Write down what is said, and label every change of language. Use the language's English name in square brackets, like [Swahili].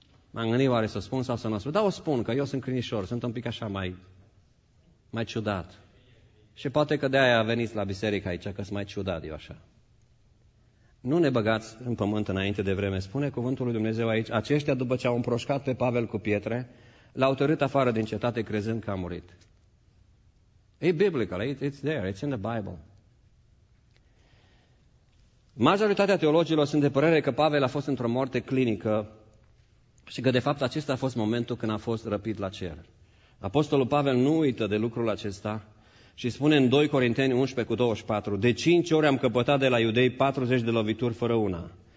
[Romanian] M-am gândit oare să spun sau să nu spun, dar o spun, că eu sunt crinișor, sunt un pic așa mai ciudat. Și poate că de-aia veniți la biserică aici, că sunt mai ciudat eu așa. Nu ne băgați în pământ înainte de vreme. Spune cuvântul lui Dumnezeu aici, aceștia după ce au împroșcat pe Pavel cu pietre, l-au tărât afară din cetate crezând că a murit. [English] E biblical, it's there, it's in the Bible. [Romanian] Majoritatea teologilor sunt de părere că Pavel a fost într-o moarte clinică și că de fapt acesta a fost momentul când a fost răpit la cer. Apostolul Pavel nu uită de lucrul acesta. Și spune în 2 Corinteni 11:24, de 5 ori am căpătat de la iudei 40 de lovituri fără una.